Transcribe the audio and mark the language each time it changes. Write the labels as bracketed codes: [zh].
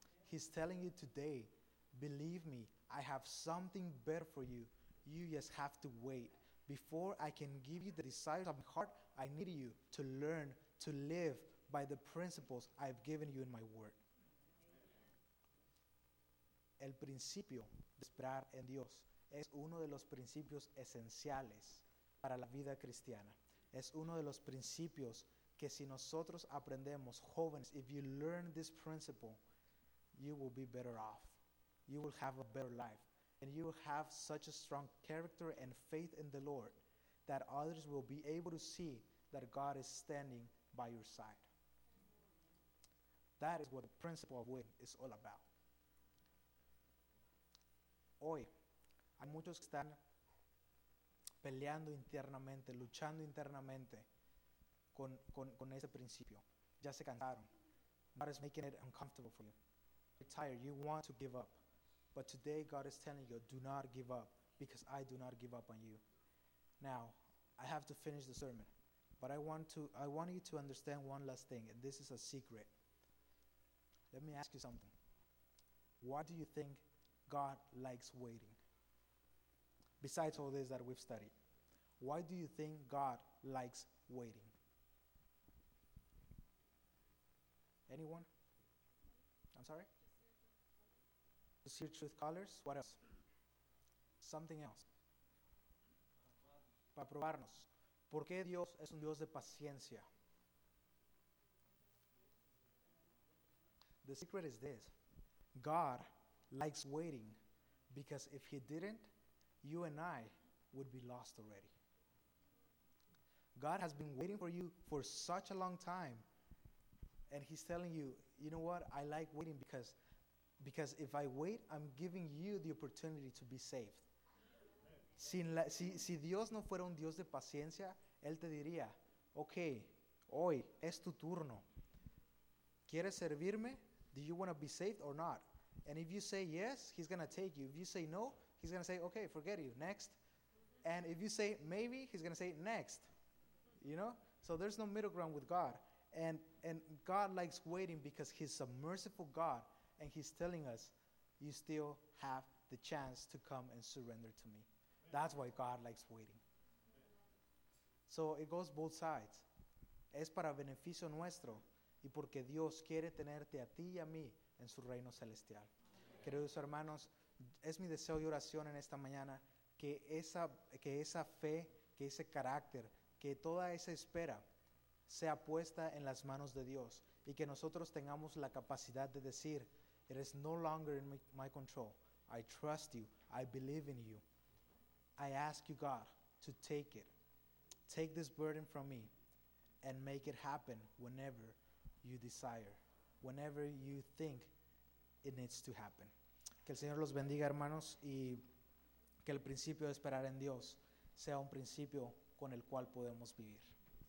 [en] He's telling you today, believe me, I have something better for you. You just have to wait. Before I can give you the desires of my heart, I need you to learn to live by the principles I've given you in my word. [es] El principio de esperar en Dios es uno de los principios esenciales para la vida cristiana. Es uno de los principios que si nosotros aprendemos, jóvenes, [en] if you learn this principle, you will be better off. You will have a better life. And you will have such a strong character and faith in the Lord that others will be able to see that God is standing by your side. That is what the principle of waiting is all about. [es] Hoy, hay muchos que están peleando internamente, luchando internamente con ese principio. Ya se cansaron. [en] God is making it uncomfortable for you. You're tired. You want to give up. But today God is telling you, do not give up because I do not give up on you. Now, I have to finish the sermon. But I want you to understand one last thing, and this is a secret. Let me ask you something. Why do you think God likes waiting? Besides all this that we've studied, why do you think God likes waiting? Anyone? I'm sorry? To see your truth colors? What else? Something else. [es] Para probarnos. ¿Por qué Dios es un Dios de paciencia? [en] The secret is this. God likes waiting because if he didn't, you and I would be lost already. God has been waiting for you for such a long time, and he's telling you, you know what? I like waiting because if I wait, I'm giving you the opportunity to be saved. [es] Si Dios no fuera un Dios de paciencia, él te diría, okay, hoy es tu turno. ¿Quieres servirme? [en] Do you want to be saved or not? And if you say yes, he's going to take you. If you say no, he's going to say, okay, forget you, next. And if you say maybe, he's going to say next. You know? So there's no middle ground with God. And God likes waiting because he's a merciful God. And he's telling us, you still have the chance to come and surrender to me. That's why God likes waiting. So it goes both sides. [es] Es para beneficio nuestro y porque Dios quiere tenerte a ti y a mí en su reino celestial. Queridos hermanos, es mi deseo y oración en esta mañana que esa fe, que ese carácter, que toda esa espera sea puesta en las manos de Dios y que nosotros tengamos la capacidad de decir, [en] it is no longer in my control. I trust you. I believe in you. I ask you, God, to take it. Take this burden from me and make it happen whenever you desire, whenever you think it needs to happen. [es] Que el Señor los bendiga, hermanos, y que el principio de esperar en Dios sea un principio con el cual podemos vivir.